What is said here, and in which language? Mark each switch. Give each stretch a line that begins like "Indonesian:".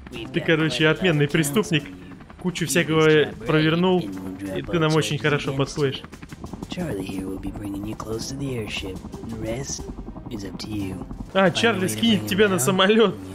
Russian: Ты, короче, отменный преступник. Кучу всякого провернул, и ты нам очень хорошо подходишь.
English: Charlie here will be bringing you close to the airship. The rest is up to you.
Russian: А, Чарли скинет тебя на самолет.